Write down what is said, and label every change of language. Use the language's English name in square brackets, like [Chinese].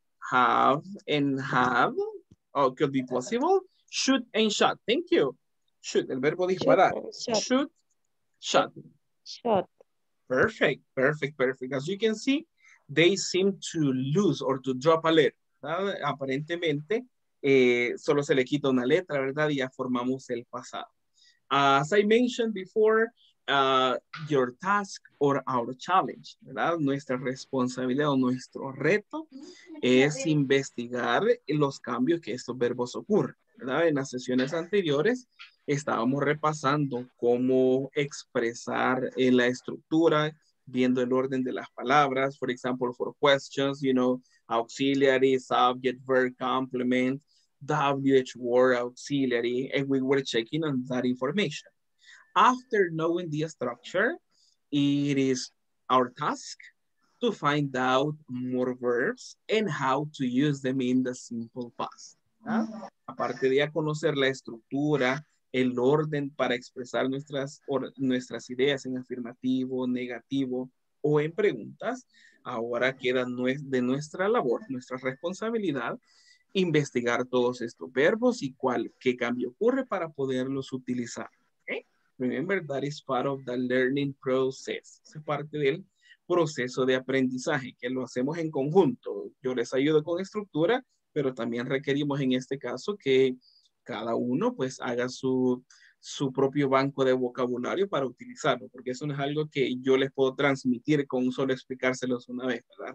[English] Have and have. Oh, could be possible. Shoot and shot. Thank you. Shoot, [Spanish] el verbo disparar. [English] Shoot, shot. Shot. Perfect, perfect, perfect. As you can see, they seem to lose or to drop a letter. [Spanish] ¿Verdad? Aparentemente, solo se le quita una letra, ¿verdad? Y ya formamos el pasado. [English] As I mentioned before, your task or our challenge, [Spanish] ¿verdad? Nuestra responsabilidad o nuestro reto es investigar los cambios que estos verbos ocurren. ¿Verdad? En las sesiones anteriores estábamos repasando cómo expresar la estructura, viendo el orden de las palabras, [English] for example, for questions, you know, auxiliary, subject, verb, complement, WH word, auxiliary, and we were checking on that information. After knowing the structure, it is our task to find out more verbs and how to use them in the simple past. Mm-hmm. [Spanish] Aparte de ya conocer la estructura, el orden para expresar nuestras ideas en afirmativo, negativo o en preguntas, ahora queda de nuestra labor, nuestra responsabilidad, investigar todos estos verbos y qué cambio ocurre para poderlos utilizar. [English] Remember, that is part of the learning process. [Spanish] Es parte del proceso de aprendizaje, que lo hacemos en conjunto. Yo les ayudo con estructura, pero también requerimos en este caso que cada uno pues haga su propio banco de vocabulario para utilizarlo, porque eso no es algo que yo les puedo transmitir con solo explicárselos una vez, ¿verdad?